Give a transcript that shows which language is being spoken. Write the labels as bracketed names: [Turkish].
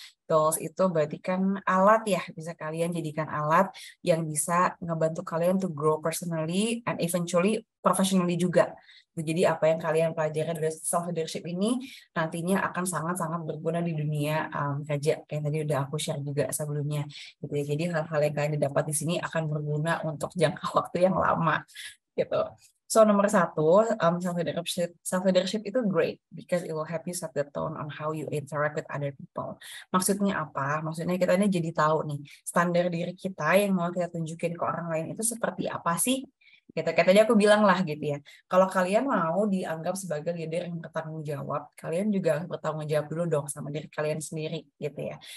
[Indonesian] Tools itu berarti kan alat ya, bisa kalian jadikan alat yang bisa ngebantu kalian [English] to grow personally and eventually professionally [Indonesian] juga. Jadi apa yang kalian pelajari dari self-leadership ini nantinya akan sangat-sangat berguna di dunia kerja. Kayak tadi udah aku share juga sebelumnya. Gitu ya. Jadi hal-hal yang kalian dapat di sini akan berguna untuk jangka waktu yang lama. Gitu. [English] So [Indonesian] nomor satu, [English] self-leadership itu great because it will help you set the tone on how you interact with other people. [Indonesian] Maksudnya apa? Maksudnya kita ini jadi tahu nih, standar diri kita yang mau kita tunjukin ke orang lain itu seperti apa sih? gitu. Kayak tadi aku bilang lah gitu ya. Kalau kalian mau dianggap sebagai leader yang bertanggung jawab, kalian juga bertanggung jawab dulu dong sama diri kalian sendiri gitu ya.